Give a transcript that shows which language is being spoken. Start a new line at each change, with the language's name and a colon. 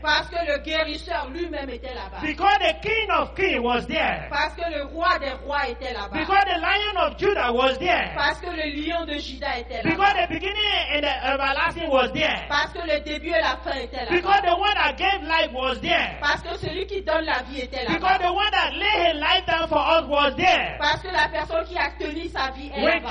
French: Parce que le guérisseur lui-même était là-bas.
English: Because the king of kings was there.
French: Parce que le roi des rois était là-bas.
English: Because the lion of Judah was there.
French: Parce que le lion de Juda était là-bas.
English: Because the beginning and the everlasting was there.
French: Parce que le début et la fin étaient là-bas.
English: Because the one that gave life was there.
French: Parce que celui qui donne la vie était là-bas.
English: Because the one that laid his life down for us was there.
French: Parce que la personne qui a tenu sa vie est là-bas.